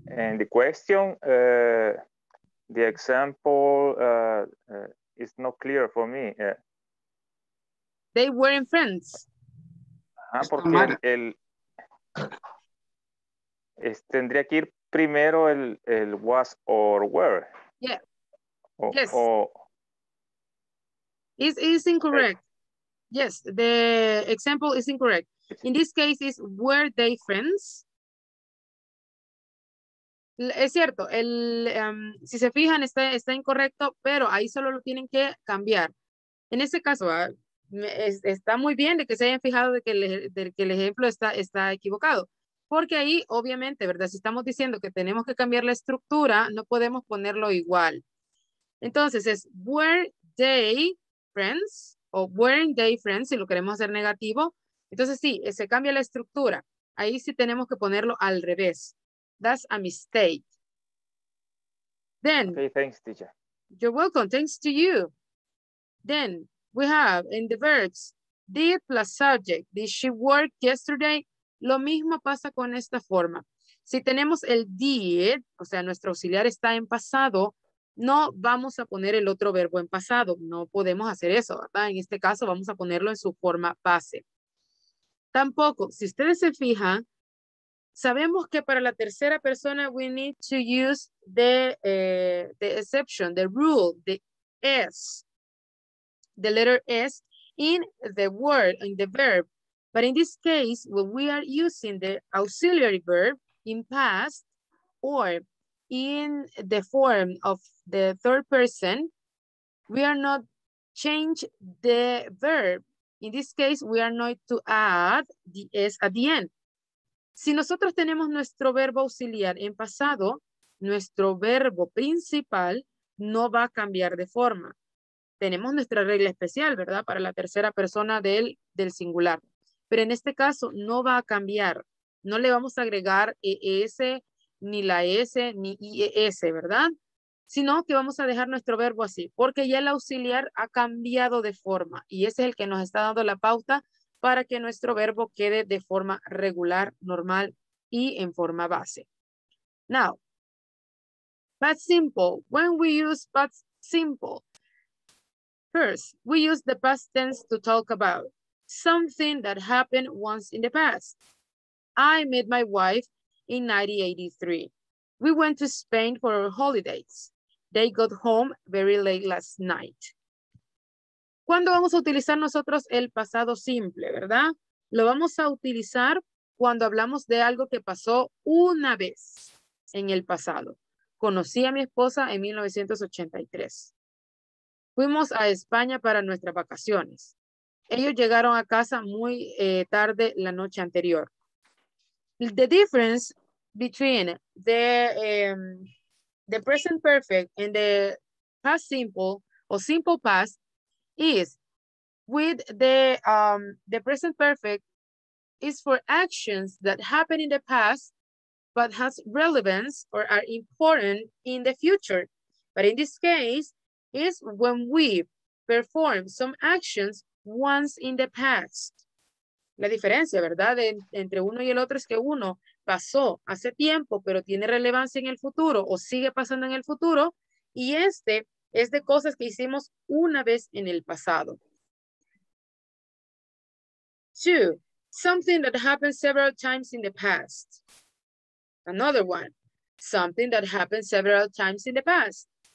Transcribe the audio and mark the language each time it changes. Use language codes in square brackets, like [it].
[en] And the question, the example is not clear for me. They weren't friends. [es] Ah, porque el tendría que ir primero el was or were. [en] Yeah. Yes. It is incorrect. Yes, the example is incorrect. In this case, is were they friends? [es] Es cierto, el si se fijan está incorrecto, pero ahí solo lo tienen que cambiar. En ese caso, está muy bien de que se hayan fijado de que el ejemplo está equivocado. Porque ahí, obviamente, ¿verdad? Si estamos diciendo que tenemos que cambiar la estructura, no podemos ponerlo igual. Entonces, es [en] were they friends [es] o [en] weren't they friends, [es] si lo queremos hacer negativo. Entonces, sí, se cambia la estructura. Ahí sí tenemos que ponerlo al revés. [en] That's a mistake. Then. Okay, thanks, teacher. You're welcome. Thanks to you. Then, we have in the verbs, did plus subject. Did she work yesterday? [es] Lo mismo pasa con esta forma. Si tenemos el did, o sea, nuestro auxiliar está en pasado, no vamos a poner el otro verbo en pasado. No podemos hacer eso, ¿verdad? En este caso vamos a ponerlo en su forma base. Tampoco, si ustedes se fijan, sabemos que para la tercera persona [en] we need to use the exception, the rule, the S. the letter S in the word, in the verb. But in this case, when we are using the auxiliary verb in past or in the form of the third person, we are not change the verb. In this case, we are not to add the S at the end. [es] Si nosotros tenemos nuestro verbo auxiliar en pasado, nuestro verbo principal no va a cambiar de forma. Tenemos nuestra regla especial, ¿verdad? Para la tercera persona del singular. Pero en este caso no va a cambiar. No le vamos a agregar ES, ni la S, ni IES, ¿verdad? Sino que vamos a dejar nuestro verbo así, porque ya el auxiliar ha cambiado de forma y ese es el que nos está dando la pauta para que nuestro verbo quede de forma regular, normal y en forma base. [en] Now, past simple. When we use past simple, first, we use the past tense to talk about something that happened once in the past. I met my wife in 1983. We went to Spain for our holidays. They got home very late last night. [es] ¿Cuándo vamos a utilizar nosotros el pasado simple, verdad? Lo vamos a utilizar cuando hablamos de algo que pasó una vez en el pasado. Conocí a mi esposa en 1983. Fuimos a España para nuestras vacaciones. Ellos llegaron a casa muy tarde la noche anterior. [en] The difference between the present perfect and the past simple or simple past is with the present perfect is for actions that happened in the past but has relevance or are important in the future. But in this case, is when we perform some actions once in the past. [es] La diferencia, ¿verdad? Entre uno y el otro es que uno pasó hace tiempo, pero tiene relevancia en el futuro o sigue pasando en el futuro. Y este es de cosas que hicimos una vez en el pasado. [en] Two, something that happened several times in the past. Another one, something that happened several times in the past.